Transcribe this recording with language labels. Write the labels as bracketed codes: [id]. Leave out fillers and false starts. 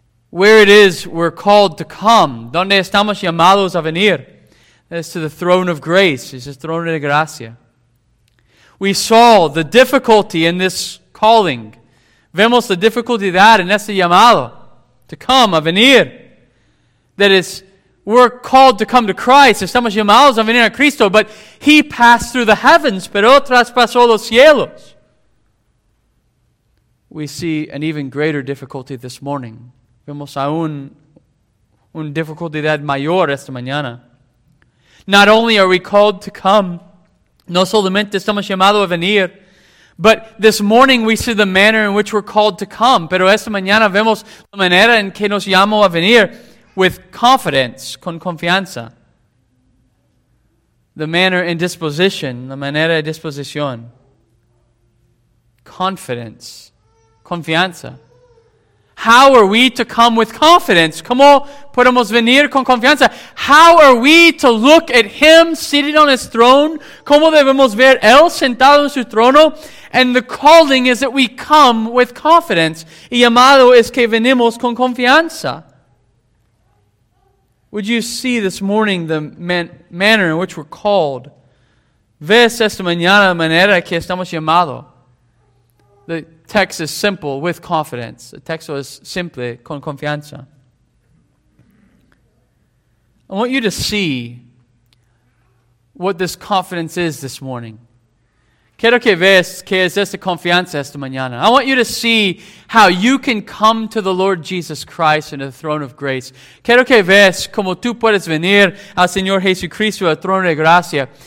[en] Where it is we're called to come. [es] Donde estamos llamados a venir. [en] That's to the throne of grace. It's the throne [es] de gracia. [en] We saw the difficulty in this calling. [es] Vemos la dificultad de dar en ese llamado. [en] To come, [es] a venir. [en] That is, we're called to come to Christ. [es] Estamos llamados a venir a Cristo. [en] But he passed through the heavens, [es] pero traspasó los cielos. [en] We see an even greater difficulty this morning. [es] Vemos aún una dificultad mayor esta mañana. [en] Not only are we called to come, [es] no solamente estamos llamados a venir, [en] but this morning we see the manner in which we're called to come. [es] Pero esta mañana vemos la manera en que nos llamo a venir [en] with confidence, [es] con confianza. [en] The manner and disposition, [es] la manera y disposición. [en] Confidence, [es] confianza. [en] How are we to come with confidence? [es] ¿Cómo podemos venir con confianza? [en] How are we to look at him sitting on his throne? [es] ¿Cómo debemos ver él sentado en su trono? [en] And the calling is that we come with confidence. [es] Y llamado es que venimos con confianza. [en] Would you see this morning the manner in which we're called? [es] Ves esta mañana la manera que estamos llamado. [en] The text is simple, with confidence. The text was simply, [es] con confianza. [en] I want you to see what this confidence is this morning. [es] Quiero que veas que es esta confianza esta mañana. [en] I want you to see how you can come to the Lord Jesus Christ in the throne of grace. [es] Quiero que veas cómo tú puedes venir al Señor Jesucristo al trono de gracia.